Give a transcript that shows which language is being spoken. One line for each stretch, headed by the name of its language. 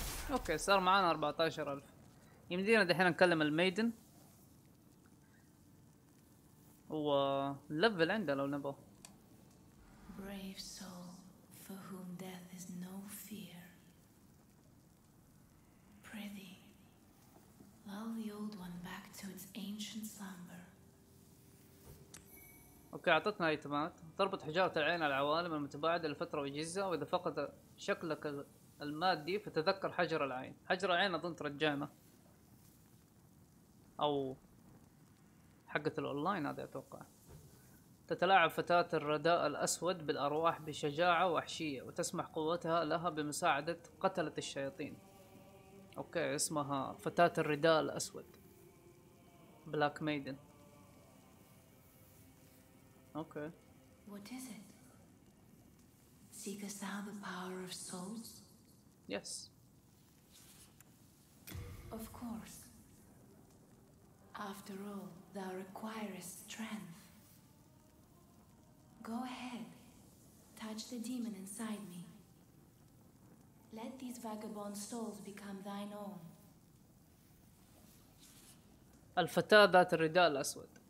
Arabic: اوكي صار معانا 14,000. يمدينا دحين نكلم الميدن و لفل عنده لو نبغى.
English: Brave soul for whom death is no fear. Prithee, lull the old one back to its ancient slumber.
Arabic: اوكي اعطتنا ايتمات. تربط حجارة العين على العوالم المتباعدة لفترة وجيزة، واذا فقد شكلك المادي فتذكر حجر العين. حجر العين اظن ترجعنا. او حقة الاونلاين هذا اتوقع. تتلاعب فتاة الرداء الأسود بالأرواح بشجاعة وحشية، وتسمح قوتها لها بمساعدة قتلة الشياطين. أوكي، اسمها فتاة الرداء الأسود، بلاك ميدن. أوكي.
English: What is it? Seekest thou the power of souls? Yes. Of course. After all, thou requirest strength. Go ahead. Touch the demon inside me. Let these vagabond souls become thine own.
Arabic: الفتاة ذات الرداء الأسود.